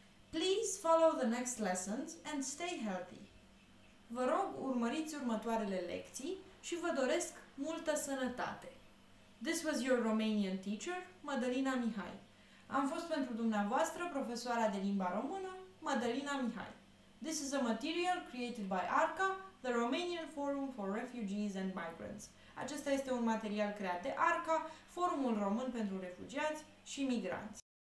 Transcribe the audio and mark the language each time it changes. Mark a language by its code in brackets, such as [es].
[en] Please follow the next lessons and stay healthy. [ro] Vă rog, urmăriți următoarele lecții și vă doresc multă sănătate. [en] This was your Romanian teacher, Madalina Mihai. [ro] Am fost pentru dumneavoastră profesoara de limba română, Madalina Mihai. [en] This is a material created by ARCA, the Romanian Forum for Refugees and Migrants. [ro] Acesta este un material creat de ARCA, Forumul Român pentru Refugiați și Migranți.